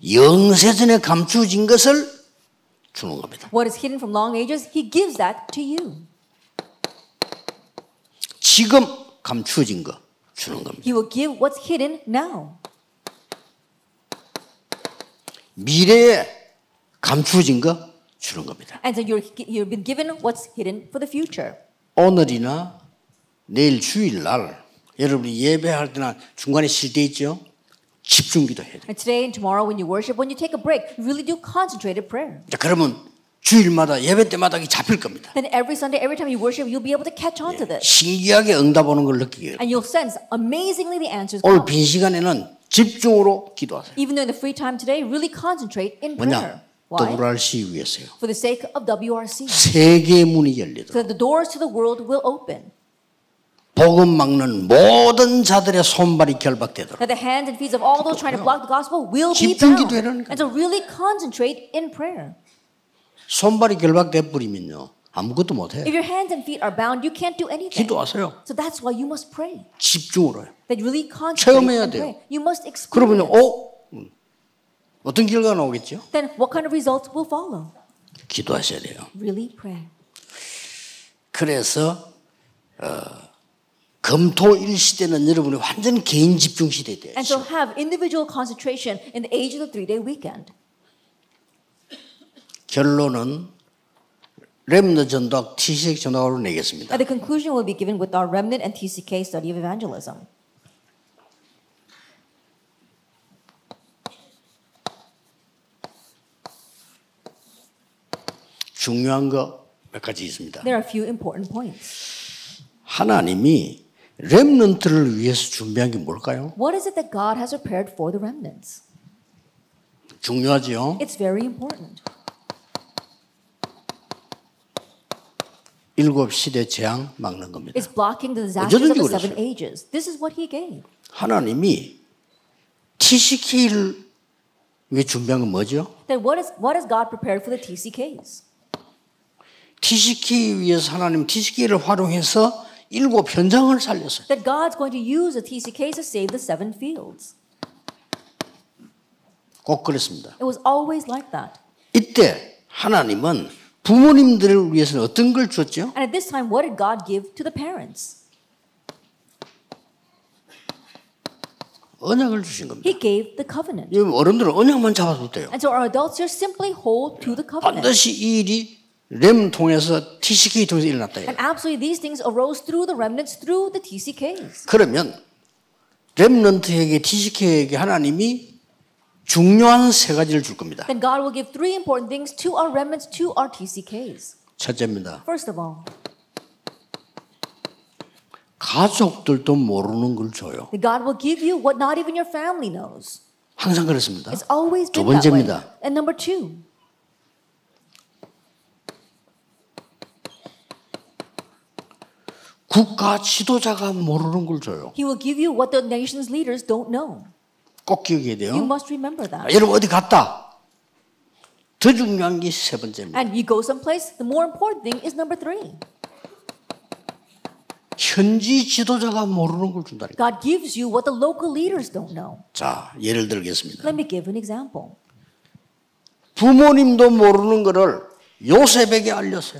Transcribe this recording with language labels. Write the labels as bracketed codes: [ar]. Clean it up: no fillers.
[ko] 영세전에 감추어진 것을 주는 겁니다. [en] What is hidden from long ages, he gives that to you. [ko] 지금 감추어진 것 주는 겁니다. [en] He will give what's hidden now. [ko] 미래에 감추어진 것 주는 겁니다. [en] And so you've been given what's hidden for the future. [ko] 오늘이나 내일 주일날 여러분이 예배할 때나 중간에 쉴 때 있죠? 집중 기도해야 돼. [en] And today and tomorrow when you worship, when you take a break, you really do concentrated prayer. [ko] 자, 그러면 주일마다 예배 때마다 이게 잡힐 겁니다. [en] Then every Sunday, every time you worship, you'll be able to catch on 예, to this. [ko] 신기하게 응답 오는 걸 느끼게. [en] And you'll sense amazingly the answers. [ko] 오늘 빈 시간에는 집중으로 기도하세요. [en] Even though in the free time today, really concentrate in prayer. [ko] WRC 위해서요. [en] For the sake of WRC. [ko] 세계의 문이 열리도록. [en] So that the doors to the world will open. [ko] 복음 막는 모든 자들의 손발이 결박되도록. [en] That the hands and feet of all those trying to block the gospel will be bound. And so really concentrate in prayer. [ko] 손발이 결박되버리면요. 아무것도 못해요. [en] If your hands and feet are bound, you can't do anything. [ko] 기도하세요. [en] So that's why you must pray. [ko] 집중으로요. [en] That really concentrate and pray. You must experience. [ko] 그러면, 어떤 결과가 나오겠죠? [en] Then what kind of results will follow? [ko] 기도하셔야 돼요. [en] Really pray. [ko] 그래서 금토일 시대는 여러분이 완전 개인 집중 시대 되죠. [en] And so have individual concentration in the age of the three-day weekend. [ko] 결론은 렘넌트 전도학 TCK 전도학으로 내겠습니다. [en] And the conclusion will be given with our remnant and TCK study of evangelism. [ko] 중요한 거 몇 가지 있습니다. [en] There are a few important points. [ko] 하나님이 렘넌트를 위해서 준비한 게 뭘까요? [en] What is it that God has prepared for the remnants? [ko] 중요하지요. [en] It's very important. [ko] 일곱 시대 재앙 막는 겁니다. [en] It's blocking the disasters of the seven [ko] 그랬어요. [en] ages. This is what he gave. [ko] 하나님이 TCK를 위해 준비한 건 뭐죠? [en] Then what has God prepared for the TCKs? [ko] TCK 위해서 하나님 TCK를 활용해서 일곱 현장을 살렸어요. [en] That God's going to use the TCK to save the seven fields. [ko] 꼭 그랬습니다. [en] It was always like that. [ko] 이때 하나님은 부모님들을 위해서는 어떤 걸 주었죠? [en] And at this time, what did God give to the parents? [ko] 언약을 주신 겁니다. [en] He gave the covenant. [ko] 어른들은 언약만 잡아도 돼요. [en] And so our adults here simply hold to the covenant. [ko] 반드시 이 일이 렘 통해서 TCK 통해서 일어났다. [en] And absolutely, these things arose through the remnants, through the TCKs. [ko] 그러면 렘넌트에게 TCK에게 하나님이 중요한 세 가지를 줄 겁니다. [en] Then God will give three important things to our remnants, to our TCKs. [ko] 첫째입니다. [en] First of all, [ko] 가족들도 모르는 걸 줘요. [en] Then God will give you what not even your family knows. [ko] 항상 그렇습니다. [en] It's always been that way. [ko] 두 번째입니다. [en] And number two. [ko] 국가 지도자가 모르는 걸 줘요. [en] He will give you what the nation's leaders don't know. [ko] 꼭 기억해야 돼요. [en] You must remember that. [ko] 여러분 어디 갔다? 더 중요한 게 세 번째입니다. [en] And you go someplace, the more important thing is number three. [ko] 현지 지도자가 모르는 걸 준다니까. [en] God gives you what the local leaders don't know. [ko] 자, 예를 들겠습니다. [en] Let me give an example. [ko] 부모님도 모르는 거를 요셉에게 알렸어요.